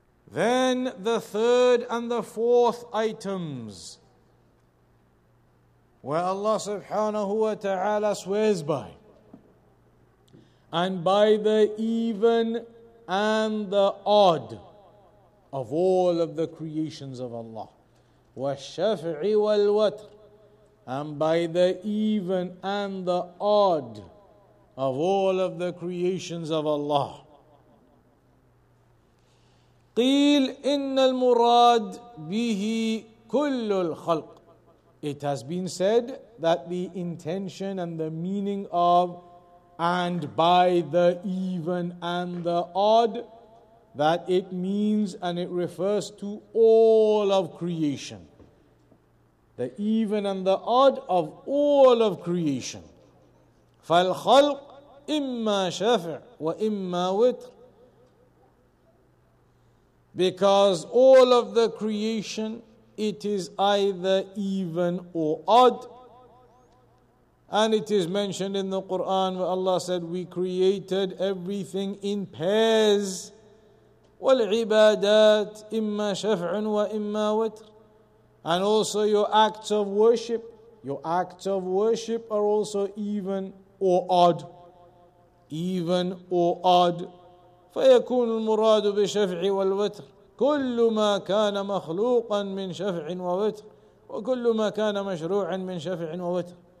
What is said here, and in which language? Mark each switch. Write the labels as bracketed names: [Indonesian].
[English] Then the third and the fourth items where Allah subhanahu wa ta'ala swears by, and by the even and the odd of all of the creations of Allah, [Arabic] وَالشَّفْعِ وَالْوَتْرِ, [English] and by the even and the odd of all of the creations of Allah. [Arabic] قيل إن المراد به كل الخلق. [English] It has been said that the intention and the meaning of and by the even and the odd, that it means and it refers to all of creation. The even and the odd of all of creation. [Arabic] فالخلق إما شافع وإما وتر. [English] Because all of the creation, it is either even or odd. And it is mentioned in the Quran where Allah said, we created everything in pairs. [Arabic] وَالْعِبَادَاتِ إِمَّا شَفْعٌ وَإِمَّا وَتْرٌ. [English] And also your acts of worship are also even or odd. Even or odd. [Arabic] فَيَكُونُ الْمُرَادُ بِشَفْعِ وَالْوَتْرِ كل ما كان مخلوقا من شفع ووتر وكل ما كان مشروعا من شفع ووتر.